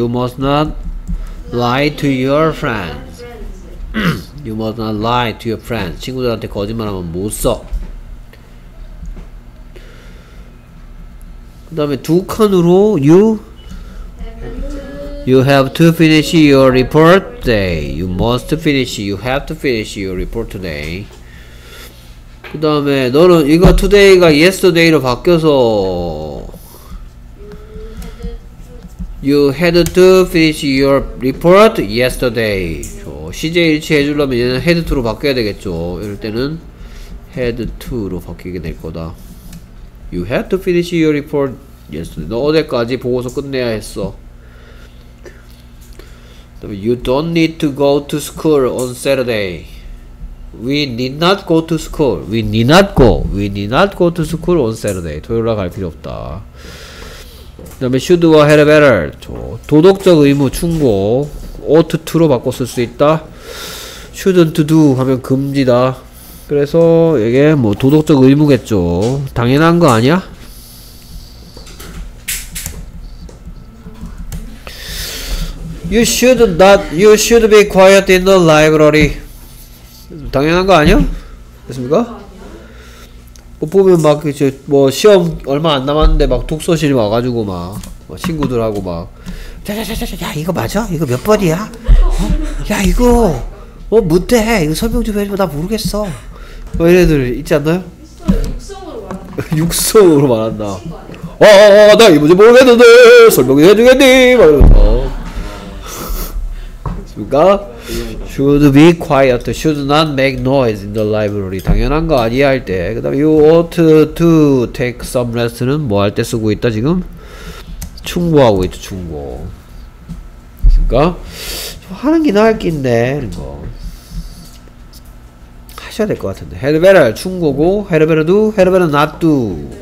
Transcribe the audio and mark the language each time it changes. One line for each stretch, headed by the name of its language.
English: 'You must not lie to your friends.' 'You must not lie to your friends.'
Korean: 친구들한테 거짓말하면 못 써. 그 다음에 두 칸으로
English: 'You.' You have to finish your report today. You must finish. You have to finish your report today.
Korean: 그 다음에 너는 이거
English: today가 yesterday로 바뀌어서 you had to finish your report yesterday.
Korean: 시제일치 해주려면 얘는 had to로 바뀌어야 되겠죠. 이럴 때는 had to로 바뀌게 될 거다.
English: You had to finish your report yesterday.
Korean: 너 어제까지 보고서 끝내야 했어.
English: You don't need to go to school on Saturday. We need not go to school. We need not go. We need not go to school on Saturday.
Korean: 토요일 날 갈 필요 없다. 그 다음에
English: should we have a better?
Korean: 도덕적 의무 충고. ought to로 바꿔 쓸 수 있다. shouldn't do 하면 금지다. 그래서 이게 뭐 도덕적 의무겠죠. 당연한 거 아니야?
English: 'You should be quiet in the library.'
Korean: 당연한 거 아니야? 됐습니까? 뭐 보면 막 이제 뭐 시험 얼마 안 남았는데 막 독서실이 와가지고 막 친구들하고 막 야 이거 맞아? 이거 몇 번이야? 어? 야 이거 뭐 못해? 이거 설명 좀 해줘. 나 모르겠어. 뭐 이런 애들 있지 않나요? 육성으로 말한다. 나 이 문제 모르겠는데 설명 좀 해주겠니? 말해서. 그니까
English: should be quiet, should not make noise in the library.
Korean: 당연한 거 아니야 할 때. 그 다음에
English: you ought to take some rest
Korean: 는 뭐 할 때 쓰고 있다 지금? 충고하고 있죠, 충고. 그니까 하는 게 나을 긴데 이런 거 하셔야 될 것 같은데.
English: had better
Korean: 충고고
English: had better do, had better not do.